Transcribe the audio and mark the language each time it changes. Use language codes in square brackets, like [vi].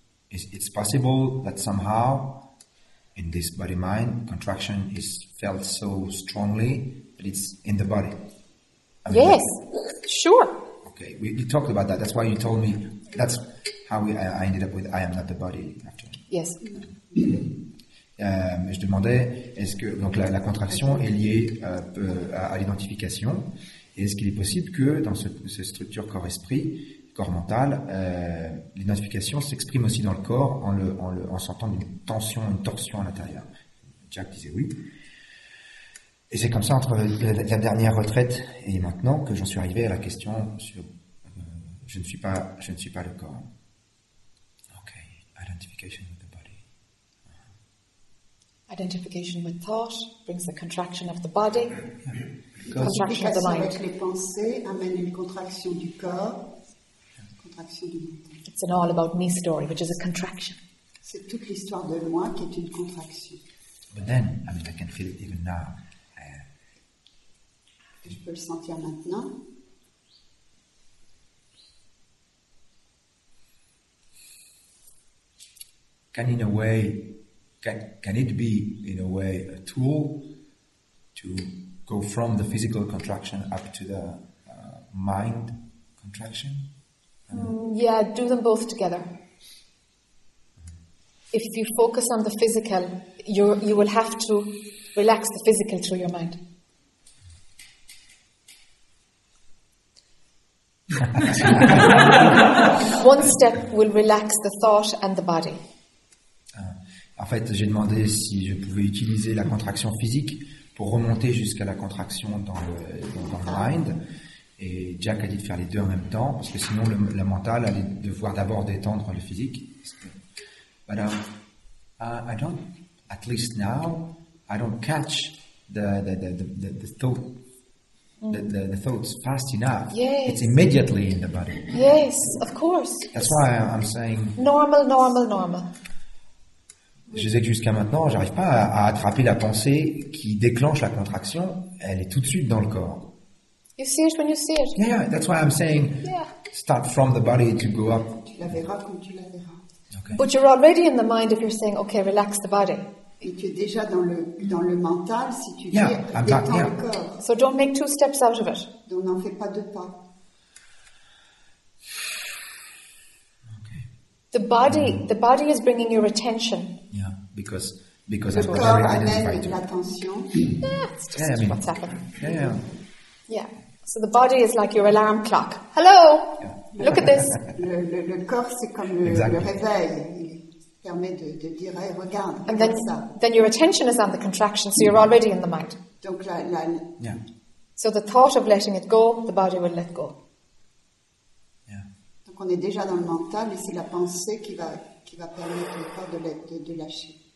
[en] It's possible that somehow, in this body-mind, contraction is felt so strongly that it's in the body. Yes, sure. Okay, we talked about that. That's why you told me. That's how I ended up with "I am not the body." After. Yes. [fr] Je demandais est-ce que donc la contraction est liée à l'identification, et est-ce qu'il est possible que dans cette structure corps-esprit corps mental, l'identification s'exprime aussi dans le corps en sentant une tension, une torsion à l'intérieur. Jack disait oui. Et c'est comme ça, entre la dernière retraite et maintenant, que j'en suis arrivé à la question sur je ne suis pas le corps. [en] Ok, identification with the body. Identification with thought brings the contraction of the body. Contraction of the mind. [fr] Avec les pensées amène une contraction du corps. [en] It's an all about me story, which is a contraction. [fr] C'est toute l'histoire de moi qui est une contraction. [en] But then, I mean, I can feel it even now. [fr] Je peux le sentir maintenant. [en] Can it be in a way a tool to go from the physical contraction up to the mind contraction? Yeah, do them both together. If you focus on the physical, you will have to relax the physical through your mind. One step will relax the thought and the body. [fr] En fait, j'ai demandé si je pouvais utiliser la contraction physique pour remonter jusqu'à la contraction dans le mind. Et Jack a dit de faire les deux en même temps, parce que sinon le mental allait devoir d'abord détendre le physique. [en] But I don't, at least now, I don't catch the thought, the thoughts fast enough. Yes. It's immediately in the body. Yes, of course. That's why I'm saying. Normal, normal, normal. [fr] Je sais que jusqu'à maintenant, j'arrive pas à attraper la pensée qui déclenche la contraction. Elle est tout de suite dans le corps. [en] You see it when you see it. Yeah, that's why I'm saying start from the body to go up. [fr] Tu la verras quand tu la verras. [en] Okay. But you're already in the mind if you're saying, okay, relax the body. [fr] Et tu es déjà dans le mental si tu dis détends le corps. [en] So don't make two steps out of it. [fr] Donc n'en fais pas deux pas. [en] Okay. The body is bringing your attention. Yeah, because [fr] le corps amène l'attention. [en] What's happening? Yeah. So the body is like your alarm clock. Hello. Yeah. Look at this. [fr] Le corps c'est comme le réveil. Permet de dire, hey, regarde, [en] and then your attention is on the contraction, so you're already in the mind. [fr] Donc la, [en] yeah. So the thought of letting it go, the body will let go. Yeah. [fr] Donc on est déjà dans le mental, et c'est la pensée qui va permettre au corps de lâcher.